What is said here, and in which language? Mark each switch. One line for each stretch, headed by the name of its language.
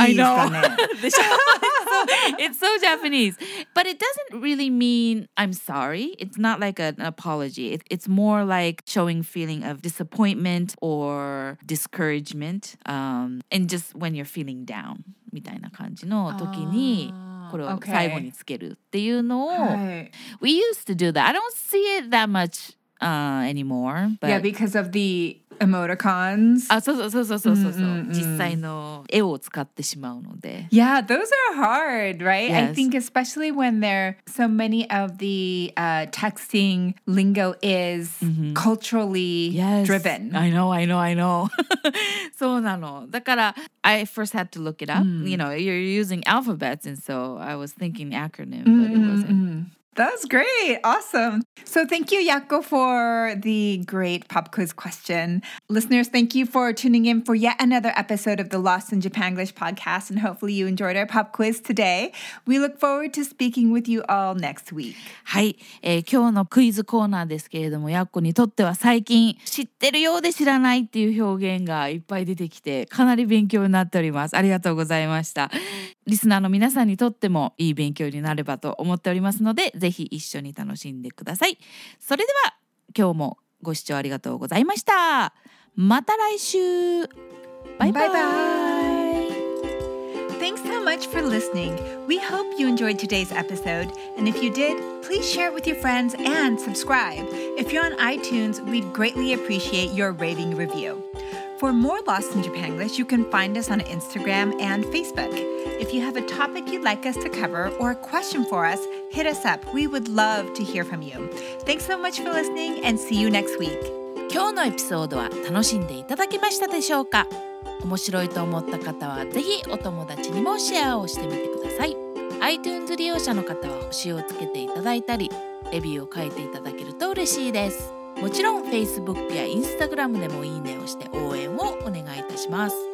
English: I know. It's so Japanese. But it doesn't really mean I'm sorry. It's not like an apology. It's more like showing feeling of disappointment or discouragement. And just when you're feeling down.
Japanese: みたいな感じの時に。これを最後につけるっていうのを、はい、
English: We used to do that. I don't see it that much anymore. But... Yeah, because of the emoticons.
Japanese: あ、そうそうそうそうそうそう。実際の絵を使ってしまうので。
English: Yeah, those are hard, right? Yes. I think especially when there so many of the texting lingo is culturally driven. I know.
Japanese: そうなの。だから、
English: I first had to look it up. You know, you're using alphabets, and so I was thinking acronym, but it wasn't. That was great. Awesome. So thank you, Yakko, for the great pop quiz question. Listeners, thank you for tuning in for yet another episode of the Lost in Japanglish podcast. And hopefully you enjoyed our pop quiz today. We look forward to speaking with you all next week.
Japanese: はい、今日のクイズコーナーですけれども、Yakko にとっては最近知ってるようで知らないっていう表現がいっぱい出てきて、かなり勉強になっております。ありがとうございました。リスナーの皆さんにとってもいい勉強になればと思っておりますので、ぜひ一緒に楽しんでください。それでは今日もご視聴ありがとうございました。また来週。バイバイ。バイバイ。
English: Thanks so much for listening. We hope you enjoyed today's episode, and if you did, please share it with your friends and subscribe. If you're on iTunes, we'd greatly appreciate your rating review. For more Lost in Japanglish, you can find us on Instagram and Facebook. If you have a topic you'd like us to cover or a question for us, hit us up. We would love to hear from you. Thanks so much for listening and see you next week.
Japanese: 今日のエピソードは楽しんでいただけましたでしょうか。面白いと思った方はぜひお友達にもシェアをしてみてください。 iTunes 利用者の方は星をつけていただいたり、レビューを書いていただけると嬉しいです。もちろん Facebook や Instagram でもいいねをして応援をお願いいたします。